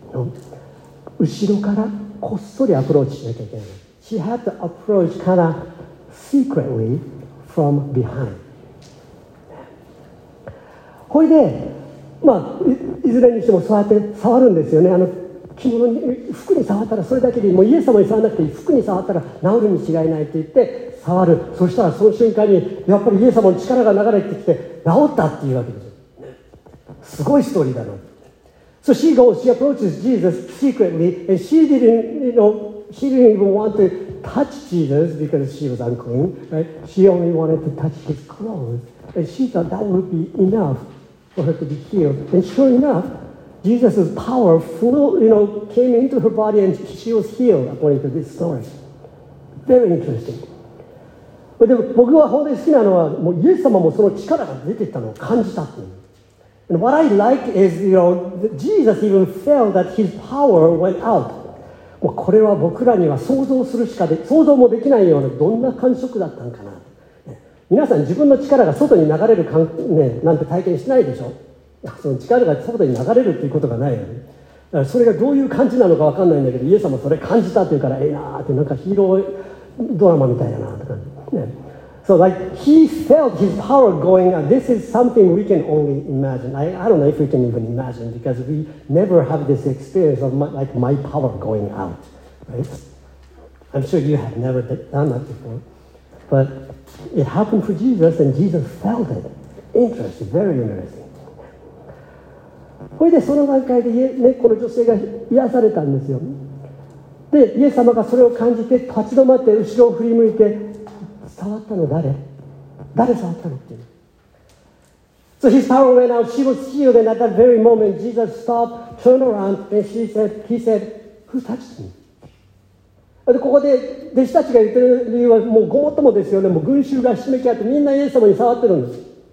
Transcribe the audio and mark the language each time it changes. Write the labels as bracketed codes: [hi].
[en] No. [ja] 後ろからこっそりアプローチしなきゃいけない。 [en] She had to approach kind of secretly from behind. [ja] ほいで、まあ、いずれにしてもそうやって触るんですよね。着物に、服に触ったら、それだけでもうイエス様に触らなくていい、服に触ったら治るに違いないって言って触る。そしたらその瞬間にやっぱりイエス様の力が流れてきて治ったっていうわけです。すごいストーリーだろう。 [en] So she goes, she approaches Jesus secretly, and she didn't, you know, she didn't even want to touch Jesus because she was unclean, right? She only wanted to touch his clothes, and she thought that would be enoughfor her to be healed. And sure enough, Jesus' power flew, you know, came into her body and she was healed according to this story. Very interesting. [ja] But でも僕は本当に好きなのは、もうイエス様もその力が出てったのを感じたっていう。 [en] And what I like is, you know, Jesus even felt that his power went out. [ja] もうこれは僕らには想像するしかで、想像もできないようなどんな感触だったのかな。皆さん自分の力が外に流れる、ね、なんて体験しないでしょ。その力が外に流れるっていうことがないよね。だからそれがどういう感じなのか分かんないんだけど、イエス様それ感じたっていうから、ええなーって、なんかヒーロードラマみたいだなーって感じ、ね、 [en] So like he felt his power going out. This is something we can only imagine. I don't know if we can even imagine because we never have this experience of my, like my power going out, right? I'm sure you have never done that before, butIt happened for Jesus, and Jesus felt it. Interesting, very interesting. [ja] それでその段階で、ね、この女性が癒されたんですよ。で、イエス様がそれを感じて立ち止まって後ろを振り向いて、触ったの誰？誰触ったのっていう。 [en] So his power went out. She was healed. And at that very moment, Jesus stopped, turned around, and she said, he said, who touched me? [ja] でここで弟子たちが言ってる理由はもうごもっともですよね。もう群衆がひしめき合ってみんなイエス様に触ってるんです。